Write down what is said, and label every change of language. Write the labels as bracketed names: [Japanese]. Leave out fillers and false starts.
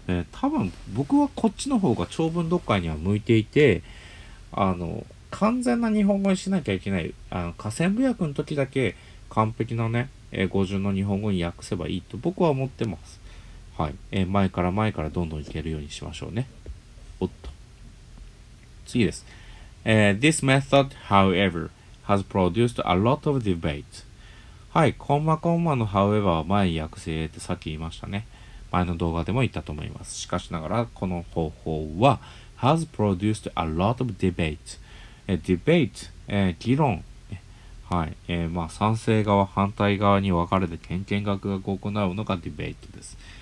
[Japanese] 多分僕はこっちの方が長文読解には向いていて、完全な日本語にしなきゃいけない、下線部訳の時だけ完璧なね、語順の日本語に訳せばいいと僕は思ってます。はい、前からどんどんいけるようにしましょうね。おっと、次です。 [English] This method however has produced a lot of debate。 [Japanese] はい、コンマコンマの however は前に訳せってさっき言いましたね。前の動画でも言ったと思います。しかしながらこの方法は [English] has produced a lot of debate. [Japanese] Debate, 議論。はい。まあ、賛成側、反対側に分かれて、けんけんがくがく行うのがディベートです。